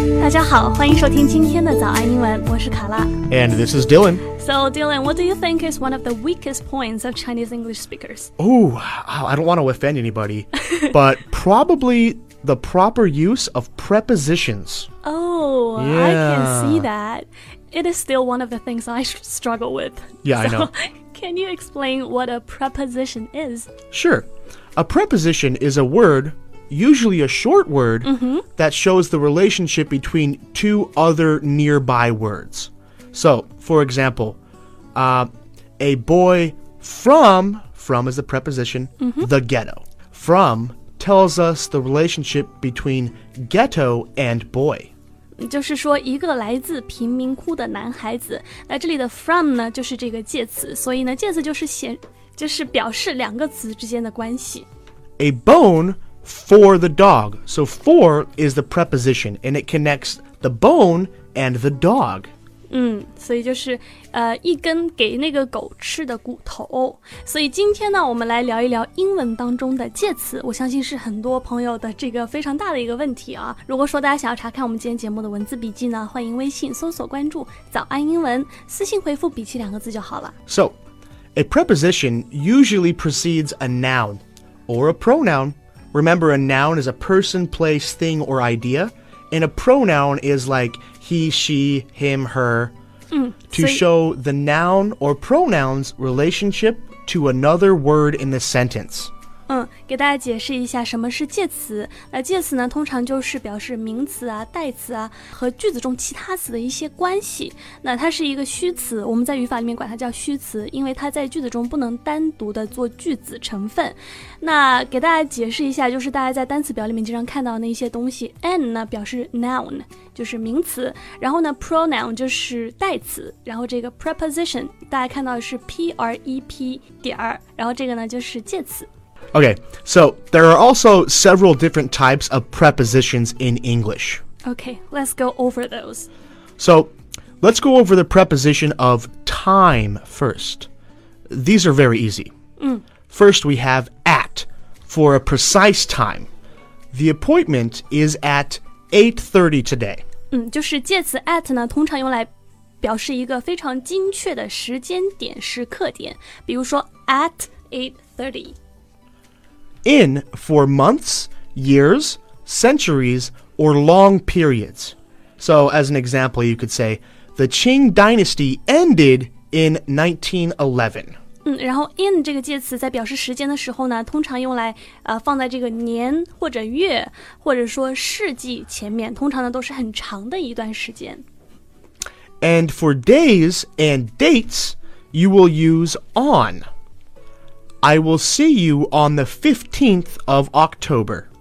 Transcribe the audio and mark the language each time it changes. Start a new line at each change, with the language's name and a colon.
Chinese: 家好，欢迎收听今天的早安英文，我是卡拉。
English: And this is Dylan. So Dylan, what do you think is one of the weakest points of Chinese English speakers? Oh, I don't want to offend anybody, but probably the proper use of prepositions. Oh, yeah. I can see that. It is still one of the things I struggle with. Yeah, so, I know. Can you explain what a preposition is? Sure. A preposition is a word... usually a short word、 mm-hmm. that shows the relationship between two other nearby words. So, for example,、a boy from is the preposition,、 mm-hmm. the ghetto. From tells us the relationship between ghetto and boy.
Chinese: 就是说一个来自贫民窟的男孩子。那这里的 from 呢就是这个介词。所以呢介词就是表示两个词之间的关系。
English: A bone... for the dog. So for is the preposition, and it connects the bone and the dog.
Chinese: 所以就是一根给那个狗吃的骨头。所以今天呢我们来聊一聊英文当中的介词，我相信是很多朋友的这个非常大的一个问题啊。如果说大家想要查看我们今天节目的文字笔记呢，欢迎微信搜索关注早安英文，私信回复笔记两个字就好了。
English: So, a preposition usually precedes a noun or a pronoun. Remember, a noun is a person, place, thing, or idea. And a pronoun is like he, she, him, her. To show the noun or pronoun's relationship to another word in the sentence.
Chinese: 给大家解释一下什么是介词。那介词呢通常就是表示名词啊、代词啊和句子中其他词的一些关系。那它是一个虚词，我们在语法里面管它叫虚词，因为它在句子中不能单独的做句子成分。那给大家解释一下，就是大家在单词表里面经常看到那些东西， an 呢表示 noun 就是名词，然后呢 pronoun 就是代词，然后这个 preposition 大家看到是 prep 点，然后这个呢就是介词。
English: Okay, so there are also several different types of prepositions in English. Okay, let's go over those. So, let's go over the preposition of time first. These are very easy. First, we have at, for a precise time. The appointment is at 8:30 today.
Chinese: 就是介词 at 呢，通常用来表示一个非常精确的时间点、时刻点。比如说 at 8:30.
English: In for months, years, centuries, or long periods. So, as an example, you could say, the Qing Dynasty ended in 1911.
Chinese: 然后 in 这个介词在表示时间的时候呢，通常用来放在这个年或者月或者说世纪前面，通常呢都是很长的一段时间。
English: And for days and dates, you will use on. I will see you on the 15th of October.